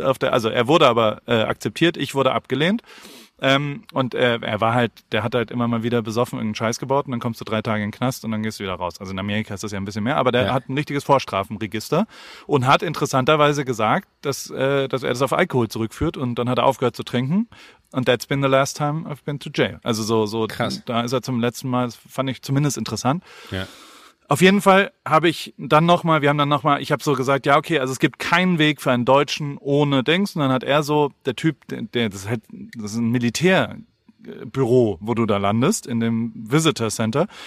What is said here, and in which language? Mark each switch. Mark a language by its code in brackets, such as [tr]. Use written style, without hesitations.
[de] Also er wurde aber akzeptiert, ich wurde abgelehnt. Er war halt, der hat halt immer mal wieder besoffen irgendeinen Scheiß gebaut und dann kommst du 3 Tage in den Knast und dann gehst du wieder raus. Also in Amerika ist das ja ein bisschen mehr, aber der hat ein richtiges Vorstrafenregister und hat interessanterweise gesagt, dass er das auf Alkohol zurückführt und dann hat er aufgehört zu trinken. [en] Und that's been the last time I've been to jail. [de] Also so krass. Da ist er zum letzten Mal, das fand ich zumindest interessant. Ja. Auf jeden Fall habe ich dann nochmal, ich habe so gesagt, ja, okay, also es gibt keinen Weg für einen Deutschen ohne Dings. Und dann hat er so, der Typ, das ist ein Militärbüro, wo du da landest, in dem Visitor Center.